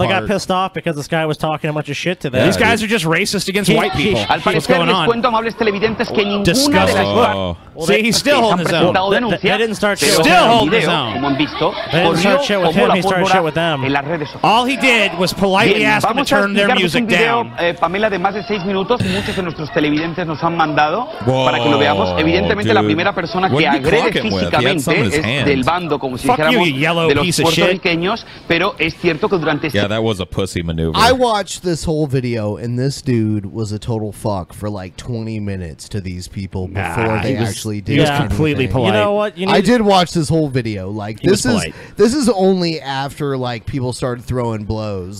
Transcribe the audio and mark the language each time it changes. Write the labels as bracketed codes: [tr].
[en] No, they got pissed off because this guy was talking a bunch of shit to them. These guys are just racist against white people. What's going on? Disgusting. See, he's still holding his own. They didn't start shit still holding his own. They didn't start shit with him. He started shit with them. them. All he did was politely ask them to turn their music down. [es] Pamela, de más de 6 minutos, muchos de nuestros televidentes nos han mandado para que lo veamos. Evidentemente, la primera persona que agrede físicamente es del bando, como si dijéramos de los puertorriqueños. Pero es cierto que durante este... [en] Yeah, that was a pussy maneuver. I watched this whole video, and this dude was a total fuck for like 20 minutes to these people before they actually did. He was completely polite. You know what? I did watch this whole video. Like, this is only after like people started throwing blows.